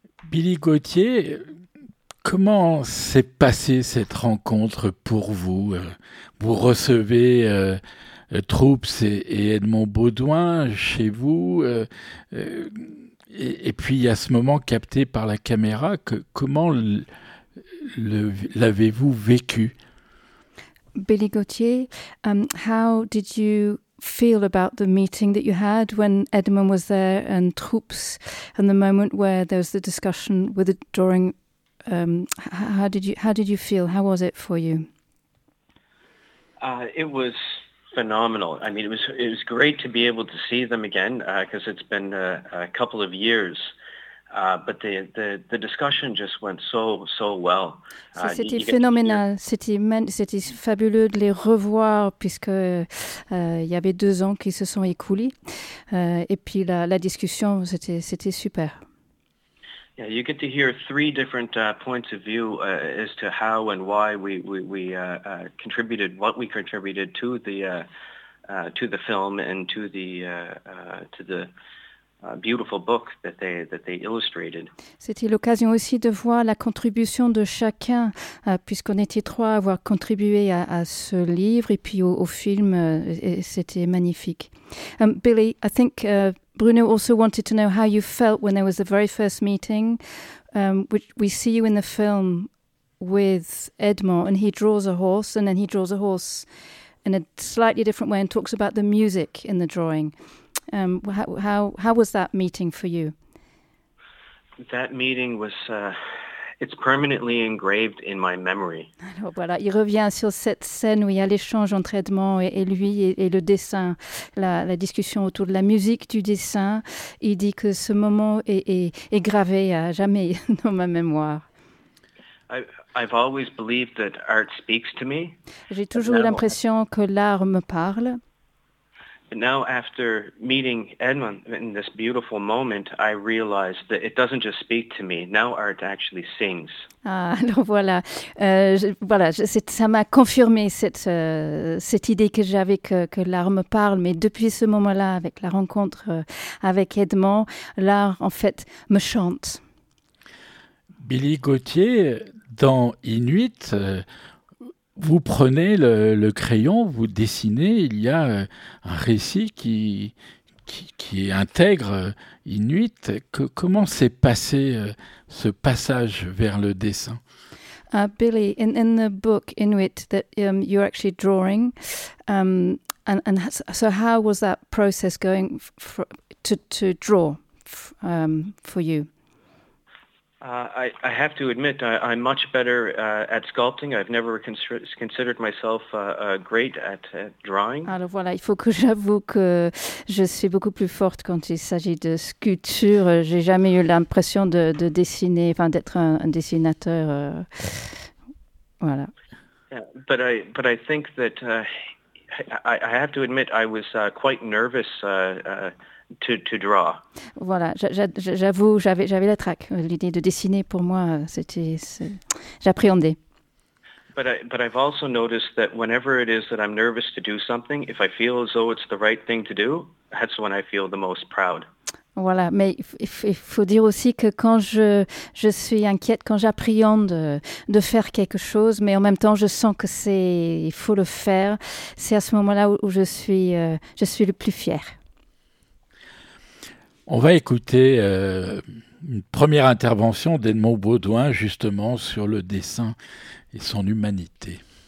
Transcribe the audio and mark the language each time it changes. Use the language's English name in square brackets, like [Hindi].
[French] Billy Gauthier, comment s'est passée cette rencontre pour vous ? Vous recevez Troops et Edmond Baudouin chez vous, et puis à ce moment capté par la caméra, comment l'avez-vous vécu ? [English] Billy Gauthier, how did you feel about the meeting that you had when Edmond was there and Troops, and the moment where there was the discussion with the drawing? How did you feel? How was it for you? It was phenomenal. I mean, it was great to be able to see them again because it's been a couple of years. But the discussion just went so well. [French] C'était phénoménal. C'était fabuleux de les revoir puisque il y avait deux ans qui se sont écoulés. Et puis la discussion, c'était super. [English] Yeah, you get to hear three different points of view as to how and why we contributed, what we contributed to the film and to the beautiful book that they illustrated. [French] C'était l'occasion aussi de voir la contribution de chacun, puisqu'on était trois à avoir contribué à ce livre et puis au film, et c'était magnifique. [English] Billy, I think Bruno also wanted to know how you felt when there was the very first meeting, which we see you in the film with Edmond, and he draws a horse, and then he draws a horse in a slightly different way and talks about the music in the drawing. How was that meeting for you? That meeting was it's permanently engraved in my memory. [French] Alors voilà, il revient sur cette scène où il y a l'échange entre Edmond et lui et le dessin, la discussion autour de la musique du dessin. Il dit que ce moment est gravé à jamais dans ma mémoire. [English] I've always believed that art speaks to me. [French] J'ai toujours l'impression que l'art me parle. [English] But now after meeting Edmond in this beautiful moment, I realize that it doesn't just speak to me. Now art actually sings. [French] Ah, alors voilà. Ça m'a confirmé cette idée que j'avais que l'art me parle. Mais depuis ce moment-là, avec la rencontre avec Edmond, l'art, en fait, me chante. Billy Gauthier, dans Inuit, vous prenez le crayon, vous dessinez, il y a un récit qui intègre Inuit. Comment s'est passé ce passage vers le dessin? [English] Billy, in the book Inuit that you're actually drawing, and so how was that process going to draw for you? I have to admit, I'm much better at sculpting. I've never considered myself great at drawing. [French] Alors voilà, il faut que j'avoue que je suis beaucoup plus forte quand il s'agit de sculpture. J'ai jamais eu l'impression de dessiner, enfin d'être un dessinateur. Voilà. [English] Yeah, but I think that I have to admit, I was quite nervous. To draw. [French] Voilà, j'avoue, j'avais la traque. L'idée de dessiner pour moi, j'appréhendais. [English] But I've also noticed that whenever it is that I'm nervous to do something, if I feel as though it's the right thing to do, that's when I feel the most proud. [French] Voilà, mais il faut dire aussi que quand je suis inquiète, quand j'appréhende de faire quelque chose, mais en même temps je sens que c'est il faut le faire, c'est à ce moment-là où je suis le plus fière. On va écouter une première intervention d'Edmond Baudouin, justement, sur le dessin et son humanité.